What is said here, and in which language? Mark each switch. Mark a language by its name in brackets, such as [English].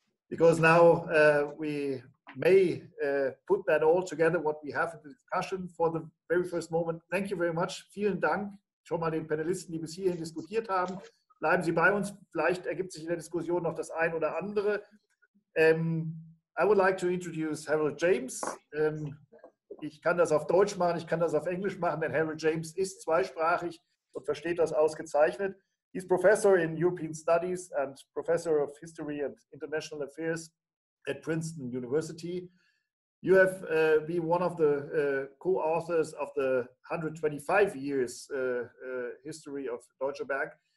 [English] Because now we may put that all together, what we have in the discussion for the very first moment. Thank you very much. [German] Vielen Dank schon mal den Panelisten, die bis hierhin diskutiert haben. Bleiben Sie bei uns. Vielleicht ergibt sich in der Diskussion noch das ein oder andere. [English] I would like to introduce Harold James. [German] Ich kann das auf Deutsch machen, ich kann das auf Englisch machen, denn Harold James ist zweisprachig und versteht das ausgezeichnet. [English] He's professor in European Studies and professor of History and International Affairs at Princeton University. You have been one of the co-authors of the 125 years history of Deutsche Bank.